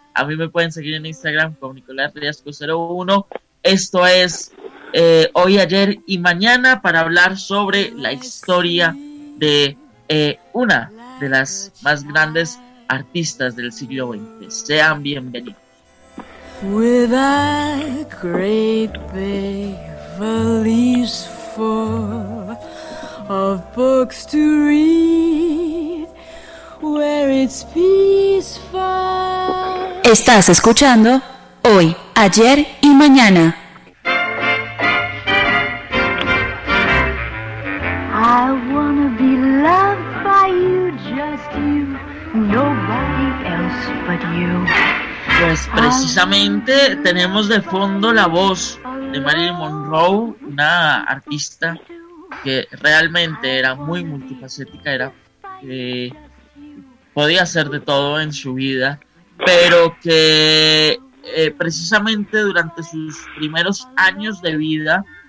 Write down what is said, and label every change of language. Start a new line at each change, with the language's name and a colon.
Spanish: A mí me pueden seguir en Instagram como NicolásRiascos01. Esto es Hoy, Ayer y Mañana, para hablar sobre la historia de una de las más grandes artistas del siglo XX. Sean bienvenidos.
English: With a great big valise full of books to read, where it's peaceful.
Spanish: Estás escuchando Hoy, Ayer y Mañana.
English: I wanna be loved by you, just you, nobody else but you.
Spanish: Pues precisamente tenemos de fondo la voz de Marilyn Monroe, una artista que realmente era muy multifacética, podía hacer de todo en su vida, pero que precisamente durante sus primeros años de vida